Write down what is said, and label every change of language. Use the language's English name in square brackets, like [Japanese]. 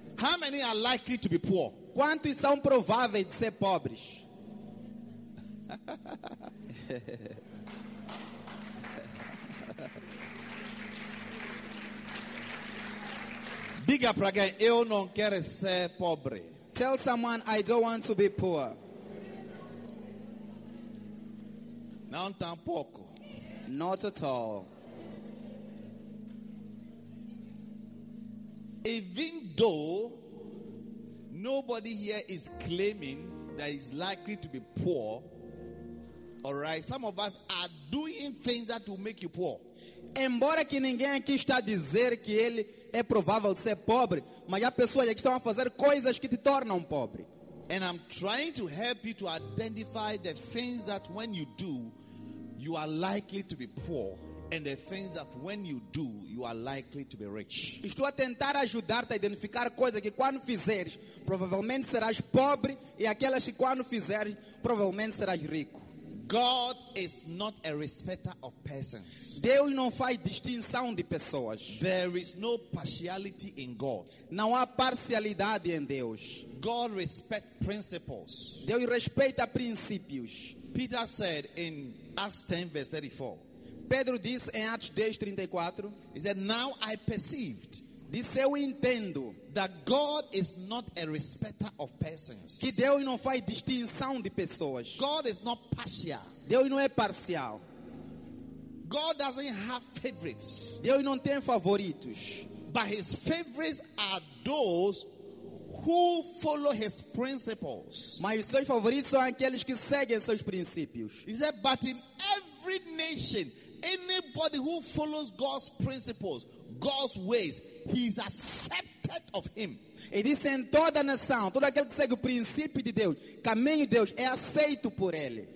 [English] How many are likely to be poor? [Portuguese] Quantos são prováveis de ser pobres? Diga para alguém, eu não quero ser pobre. [English] Tell someone, I don't want to be poor. [Portuguese] Não tampouco. [English] Not at all. Even though nobody here is claiming that he's likely to be poor, all right, some of us are doing things that will make you poor. [Portuguese] Embora que ninguém aqui está a dizer que ele é provável de ser pobre, mas há pessoas que estão a fazer coisas que te tornam pobre. [English] And I'm trying to help you to identify the things that when you do, you are likely to be poor. And the things that when you do, you are likely to be rich. [Portuguese] Estou a tentar ajudar-te a identificar coisas que quando fizeres, provavelmente serás pobre, e aquelas que quando fizeres, provavelmente serás rico. [English] God is not a respecter of persons. [Portuguese] Deus não faz distinção de pessoas. [English] There is no partiality in God. [Portuguese] Não há parcialidade em Deus. [English] God respects principles. [Portuguese] Deus respeita princípios. [English] Peter said in Acts 10 verse 34. [Portuguese] Pedro disse em Atos 10:34, [English] he said, now I perceived. [Portuguese] Disse, eu entendo. [English] That God is not a respecter of persons. [Portuguese] Que Deus não faz distinção de pessoas. [English] God is not partial. [Portuguese] Deus não é parcial. [English] God doesn't have favorites. [Portuguese] Deus não tem favoritos. [English] But his favorites are those who follow his principles. [Portuguese] Mas os seus favoritos são aqueles que seguem seus princípios. [English] He said, but in every nation, anybody who follows God's principles, God's ways, he is accepted of him. [Portuguese] E diz em toda nação, todo aquele que segue o princípio de Deus, caminho de Deus, é aceito por ele.